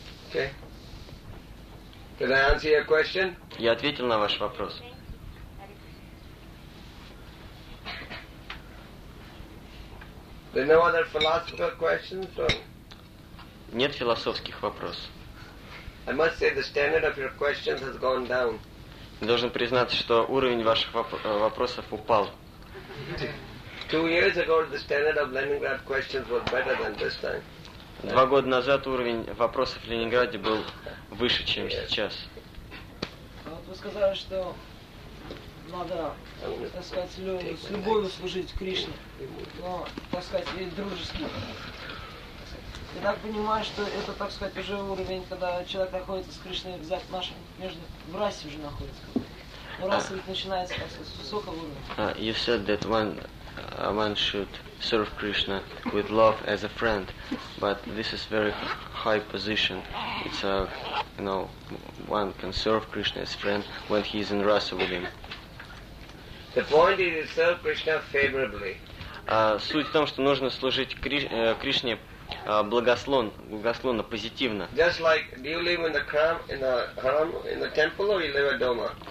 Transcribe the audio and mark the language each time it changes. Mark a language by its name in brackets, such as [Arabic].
[English] Okay. Did I answer your question? [Russian] Я ответил на ваш вопрос. [English] There no other philosophical questions? [Russian] Нет философских вопросов. [English] I must say the standard of your questions has gone down. [Russian] Должен признаться, что уровень ваших вопросов упал. Два года назад уровень вопросов в Ленинграде был выше, чем сейчас. Вот вы сказали, что надо, так сказать, с любовью служить Кришне, но, так сказать, и дружески. Я так понимаю, что это, так сказать, уже уровень, когда человек находится с Кришной в отношениях, между в расе уже находится. [English] You said that one should serve Krishna with love as a friend, but this is very high position. It's a, you know, one can serve Krishna as a friend when he is in rasa with him. The point is to serve Krishna favorably. [Russian] Суть в том, что нужно служить Кришне благословно, позитивно. [English] Just like, do you live in the храм, in the harem, in the temple, or you live at дома?